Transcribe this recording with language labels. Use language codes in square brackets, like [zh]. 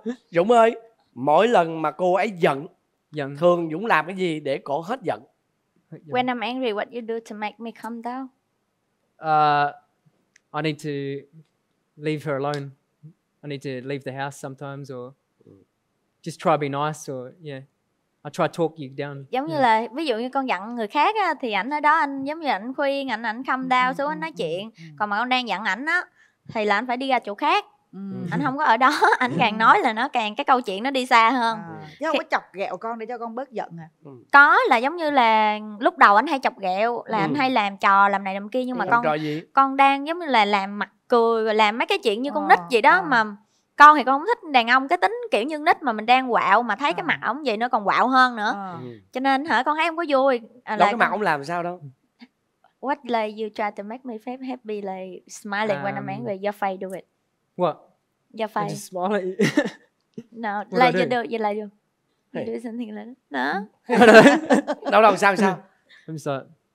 [vi] Dũng ơi, mỗi lần mà cô ấy giận, giận, thường Dũng làm cái gì để cô hết giận? [en] When I'm angry, what you do to make me calm down? I need to leave her alone. I need to leave the house sometimes, or just try be nice, or yeah, I try talk you down. [vi] Giống như là ví dụ như con giận người khác á, thì ảnh ở đó anh giống như ảnh khuyên, ảnh [en] calm down [vi] xuống, ảnh nói chuyện. Còn mà con đang giận ảnh á, thì là ảnh phải đi ra chỗ khác. Ảnh không có ở đó, ảnh càng nói là nó càng cái câu chuyện nó đi xa hơn. Chứ không có chọc ghẹo con để cho con bớt giận hả? Có, là giống như là lúc đầu ảnh hay chọc ghẹo, là ảnh hay làm trò làm này làm kia, nhưng mà con đang giống như là làm mặt cười, làm mấy cái chuyện như con nít vậy đó mà. Con thì con không thích đàn ông cái tính kiểu như nít, mà mình đang quạo mà thấy cái mặt ổng vậy nó còn quạo hơn nữa. Cho nên hả con thấy không có vui. Cái mặt ổng làm sao đâu. [en] What like you try to make me happy, like smiling when I'm angry, your face do it. What? Your face. I'm just smiling. No, like you do, you like you. You do something like that. No. [vi] Đâu đâu sao sao? [en] I'm sorry.